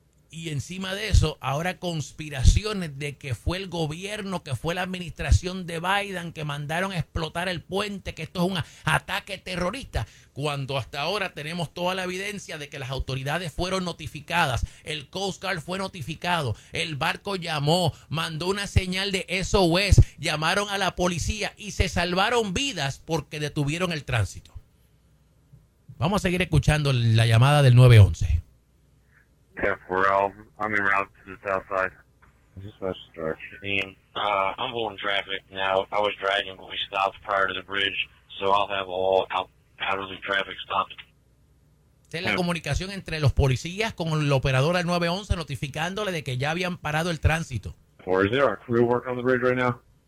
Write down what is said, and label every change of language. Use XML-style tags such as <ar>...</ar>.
<es>Y encima de eso, ahora conspiraciones de que fue el gobierno, que fue la administración de Biden que mandaron a explotar el puente, que esto es un ataque terrorista, cuando hasta ahora tenemos toda la evidencia de que las autoridades fueron notificadas, el Coast Guard fue notificado, el barco llamó, mandó una señal de SOS, llamaron a la policía y se salvaron vidas porque detuvieron el tránsito. Vamos a seguir escuchando la llamada del 911.</es> <en>F4L, I'm en route to the south side. This is West Direction. I'm holding traffic now. I was driving, but we stopped prior to the bridge, so I'll have all out of the traffic stopped.</en> <es>¿Es la comunicación entre los policías con el operador al 911 notificándole de que ya habían parado el tránsito?</es> <en>Or is there a crew working on the bridge right now?</en>